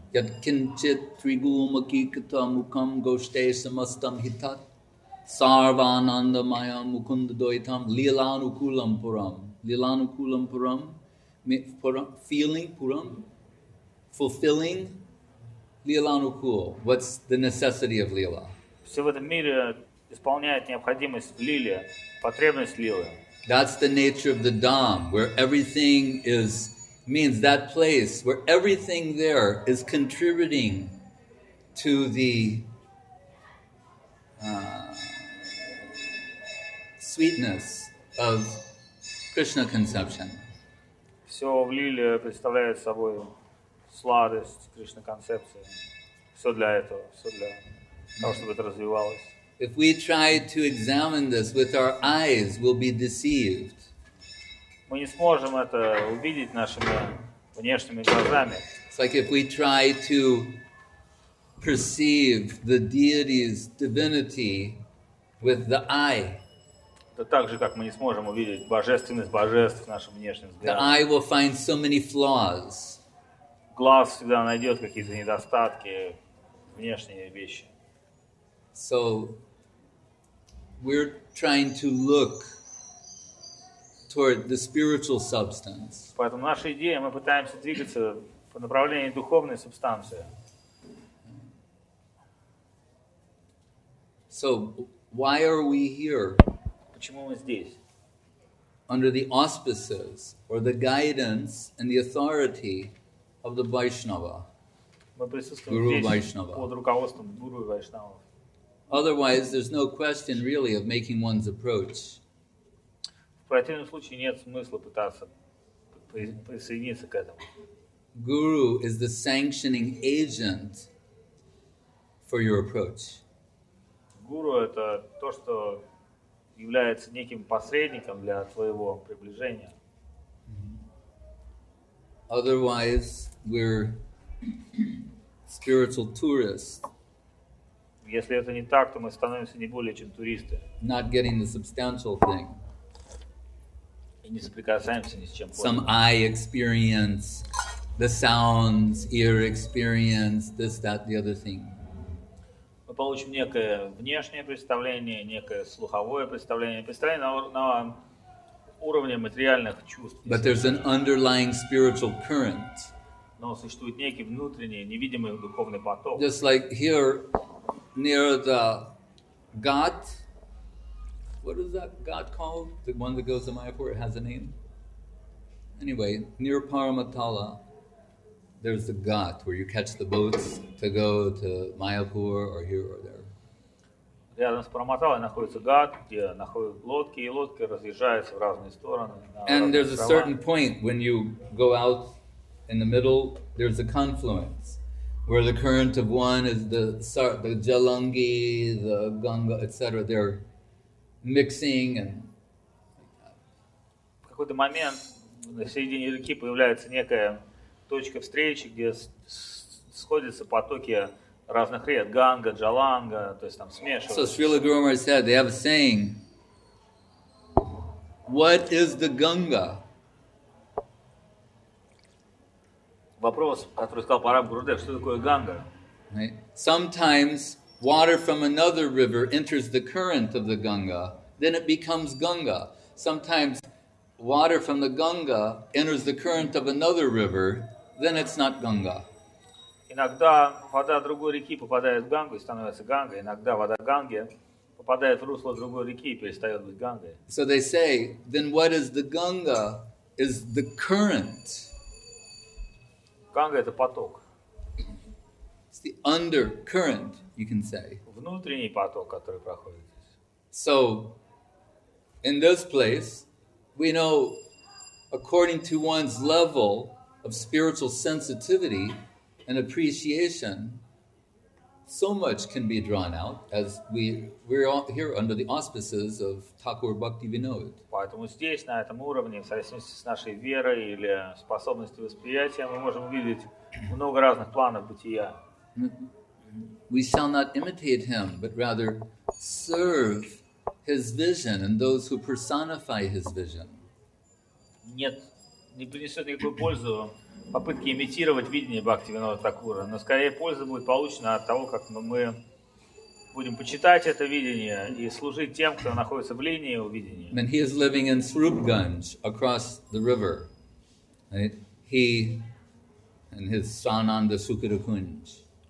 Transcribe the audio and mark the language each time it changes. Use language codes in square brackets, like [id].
[sa] Yat kinchit trigumakikita mukam goshte samastam hitat sarvananda maya mukunda doitam lilanukulam puram. Lilanukulam puram, [en] feeling puram, fulfilling lilanukul. What's the necessity of lila? [ru] Все в этом мире исполняет необходимость лили, потребность лилы. [en] That's the nature of the Dham, where everything is means that place where everything there is contributing to the sweetness of Krishna conception. [ru] Все в лиле представляет собой сладость Кришна концепции. Все для этого, все для того, чтобы это развивалось. [en] If we try to examine this with our eyes, we'll be deceived. [ru] Мы не сможем это увидеть нашими внешними глазами. [en] It's like if we try to perceive the deity's divinity with the eye. [ru] Это так же, как мы не сможем увидеть божественность божеств нашим внешним взглядом. [en] The eye will find so many flaws. [ru] Глаз всегда найдет какие-то недостатки, внешние вещи. [en] So we're trying to look toward the spiritual substance. [ru] Поэтому наша идея, мы пытаемся двигаться по направлению духовной субстанции. [en] So, why are we here? [ru] Почему мы здесь? [en] Under the auspices or the guidance and the authority of the Vaishnava. [ru] Мы присутствуем здесь Vaishnava. Под руководством Гуру Вайшнава. [en] Otherwise, there's no question really of making one's approach. [ru] В противном случае нет смысла пытаться присоединиться к этому. [en] Guru is the sanctioning agent for your approach. [ru] Guru — это то, что является неким посредником для твоего приближения. [en] Otherwise, we're spiritual tourists. [ru] Если это не так, то мы становимся не более чем туристы. [en] Not getting the substantial thing. [ru] И не соприкасаемся ни с чем. [en] Some eye experience, the sounds, ear experience, this, that, the other thing. [ru] Мы получим некое внешнее представление, некое слуховое представление, представление на уровне материальных чувств. [en] But there's an underlying spiritual current. [ru] Но существует некий внутренний, невидимый духовный поток. [en] Just like here. Near the ghat, what is that ghat called? The one that goes to Mayapur, it has a name. Anyway, near Paramatala, there's the ghat where you catch the boats to go to Mayapur or here or there. [ru] рядом с Параматалой находится гад, где находят лодки, и лодки разъезжаются в разные стороны. [en] And there's a certain point when you go out in the middle, there's a confluence where the current of one is the Jalangi, the Ganga, etc. They're mixing and [ru] в какой-то момент на середине реки появляется некая точка встречи, где сходятся потоки разных рек, Ганга, Джаланга, то есть там смешиваются. [en] So Srila Guru Maharaj said, they have a saying, what is the Ganga? [ru] Вопрос, который сказал Парам Гурудев, что такое Ганга? [en] Sometimes water from another river enters the current of the Ganga, then it becomes Ganga. Sometimes water from the Ganga enters the current of another river, then it's not Ganga. [ru] Иногда вода другой реки попадает в Гангу и становится Гангой. Иногда вода Ганги попадает в русло другой реки и перестает быть Гангой. [en] So they say, then what is the Ganga? Is the current. [ru] Ганга — это поток. [en] It's the undercurrent, you can say. [ru] Внутренний поток, который проходит здесь. [en] So, in this place, we know, according to one's level of spiritual sensitivity and appreciation, so much can be drawn out as we're all here under the auspices of Thakur Bhakti Vinod. [ru] Поэтому здесь, на этом уровне, в зависимости с нашей верой или способностью восприятия, мы можем увидеть много разных планов бытия. [en] We shall not imitate him, but rather serve his vision and those who personify his vision. [ru] Нет, не принесет никакой пользы попытки имитировать видение Бхактивинода Такура, но скорее польза будет получена от того, как мы будем почитать это видение и служить тем, кто находится в линии его видения. [en] And he is living in Srupganj across the river. He and his Sananda Sukadakunj.